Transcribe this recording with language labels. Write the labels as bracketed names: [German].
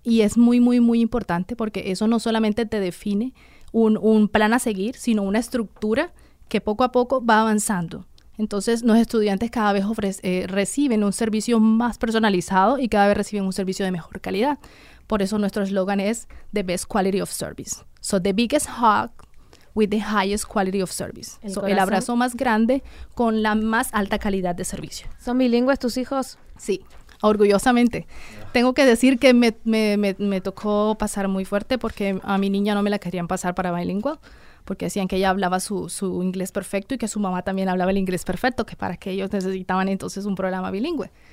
[Spanish] Y es muy, muy, muy importante porque eso no solamente te define un plan a seguir, sino una estructura que poco a poco va avanzando. Entonces, los estudiantes cada vez reciben un servicio más personalizado y cada vez reciben un servicio de mejor calidad. Por eso nuestro eslogan es [English] The Best Quality of Service. So, the biggest hug with the highest quality of service. [Spanish] El abrazo más grande con la más alta calidad de servicio. ¿Son bilingües tus hijos? Sí, orgullosamente. Tengo que decir que me tocó pasar muy fuerte porque a mi niña no me la querían pasar para bilingüe. Porque decían que ella hablaba su inglés perfecto y que su mamá también hablaba el inglés perfecto, que para que ellos necesitaban entonces un programa bilingüe.